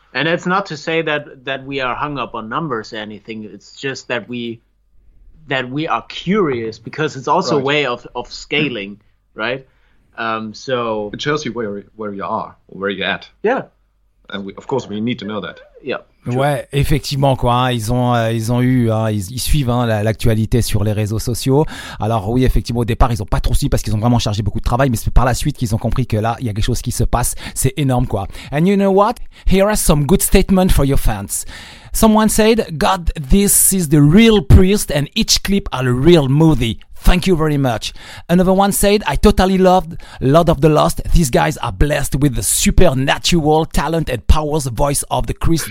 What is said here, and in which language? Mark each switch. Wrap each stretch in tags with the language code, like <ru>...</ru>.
<en>And it's not to say that we are hung up on numbers or anything. It's just that we are curious, because it's also a way of scaling, right? So it shows you where you are or where you're at. Yeah. And we, of course, we need to know that. Yeah.</en> <fr>Ouais, effectivement quoi, ils suivent, hein, l'actualité sur les réseaux sociaux. Alors oui, effectivement, au départ ils ont pas trop suivi parce qu'ils ont vraiment chargé beaucoup de travail, mais c'est par la suite qu'ils ont compris que là il y a quelque chose qui se passe. C'est énorme quoi.</fr> <en>And you know what, here are some good statements for your fans. Someone said, God, this is the real Priest and each clip are a real movie. Thank you very much. Another one said, I totally loved Lord of the Lost. These guys are blessed with the supernatural talent and powers voice of the Chris.</en>